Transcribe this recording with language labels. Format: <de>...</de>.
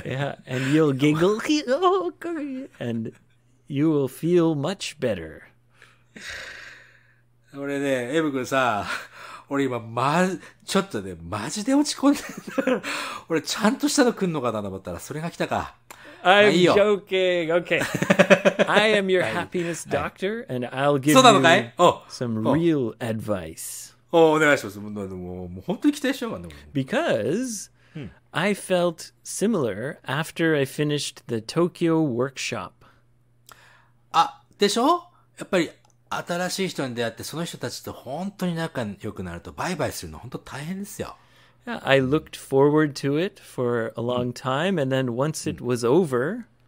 <en>Yeah, and you'll giggle and you will feel much better.</en> <ja>俺ね、エブ君さ、俺今、ちょっとね、マジで落ち込んでる。俺、ちゃんとしたの来んのかなと思ったら、それが来たか。</ja> <en>I'm joking, okay. I am your happiness doctor, and I'll give you some real advice.</en> <ja>お願いします。もう本当に期待しようかな。</ja> <en>Because I felt similar after I finished the Tokyo workshop.</en> <ja>あ、でしょ? やっぱり、新しい人に出会ってその人たちと本当に仲良くなるとバイバイするの本当大変ですよ。</ja> <en>Yeah, I looked forward to it for a long time and then once it was over、</en>